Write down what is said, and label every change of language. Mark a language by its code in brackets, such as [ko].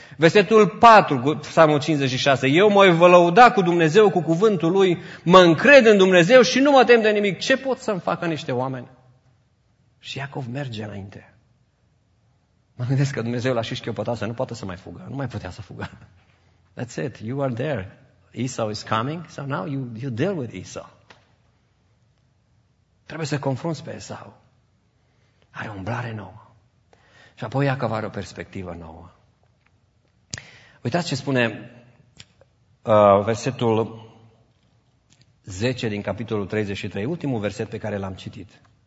[ro] Versetul 4, Psalmul 56, eu mă voi lăuda cu Dumnezeu, cu cuvântul lui, mă încred în Dumnezeu și nu mă tem de nimic. Ce pot să-mi facă niște oameni? Și Iacov merge înainte. Mă gândesc că Dumnezeu l-a și șchiopătat, nu poate să mai fugă, nu mai putea să fugă. [en] That's it, you are there. Esau is coming, so now you deal with Esau. [ro] Trebuie să confrunți pe Esau. Are o umblare nouă. Și apoi Iacov are o perspectivă nouă. Uitați ce spune versetul 10 din capitolul 33, ultimul verset pe care l-am citit.